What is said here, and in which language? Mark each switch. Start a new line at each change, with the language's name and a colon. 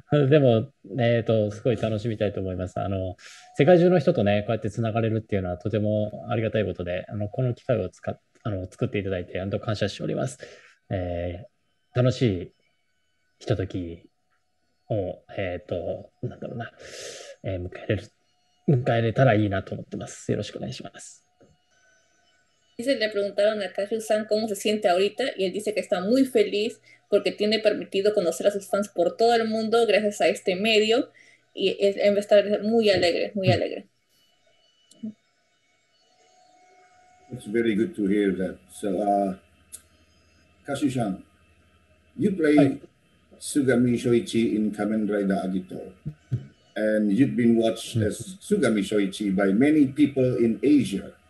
Japanese: でも、すごい楽しみたいと思います。世界中の人とね、こうやってつながれるっていうのはとてもありがたいことで、この機会を作っていただいて、本当感謝しております。楽しいひとときを、なんだろうな、迎えれたらいいなと思ってます。よろしくお願いします。
Spanish: Y se le preguntaron a Kashu-san cómo se siente ahorita y él dice que está muy feliz porque tiene permitido conocer a sus fans por todo el mundo gracias a este medio y él va a estar muy alegre, muy alegre.
English: It's very good to hear that. So, Kashu-san, you play Sugami Shoichi in Kamen Rider Agito and you've been watched as Sugami Shoichi by many people in Asia.